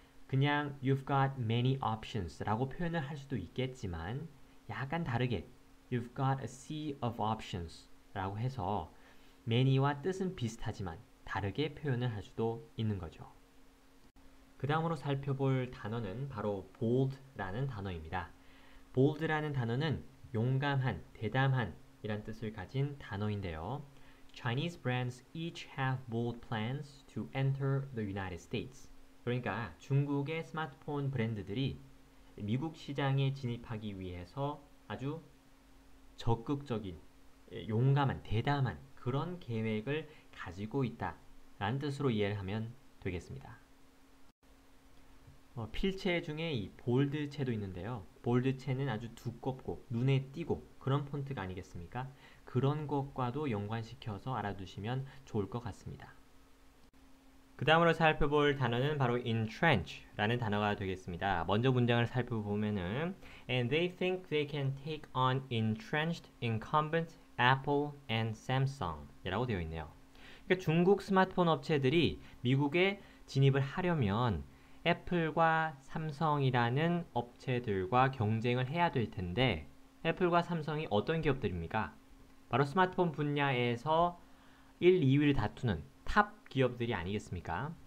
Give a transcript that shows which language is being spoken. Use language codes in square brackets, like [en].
[ko] 그냥 [en] You've got many options [ko] 라고 표현을 할 수도 있겠지만 약간 다르게 [en] You've got a sea of options [ko] 라고 해서 many와 뜻은 비슷하지만 다르게 표현을 할 수도 있는 거죠. 그 다음으로 살펴볼 단어는 바로 bold라는 단어입니다. bold라는 단어는 용감한, 대담한 이란 뜻을 가진 단어인데요. [en] Chinese brands each have bold plans to enter the United States. [ko] 그러니까 중국의 스마트폰 브랜드들이 미국 시장에 진입하기 위해서 아주 적극적인, 용감한, 대담한 그런 계획을 가지고 있다 라는 뜻으로 이해를 하면 되겠습니다. 필체 중에 이 볼드체도 있는데요. 볼드체는 아주 두껍고 눈에 띄고 그런 폰트가 아니겠습니까? 그런 것과도 연관시켜서 알아두시면 좋을 것 같습니다. 그 다음으로 살펴볼 단어는 바로 entrench라는 단어가 되겠습니다. 먼저 문장을 살펴보면은 [en] And they think they can take on entrenched incumbent Apple and Samsung [ko] 이라고 되어 있네요. 그러니까 중국 스마트폰 업체들이 미국에 진입을 하려면 애플과 삼성이라는 업체들과 경쟁을 해야 될 텐데 애플과 삼성이 어떤 기업들입니까? 바로 스마트폰 분야에서 1, 2위를 다투는 탑 기업들이 아니겠습니까?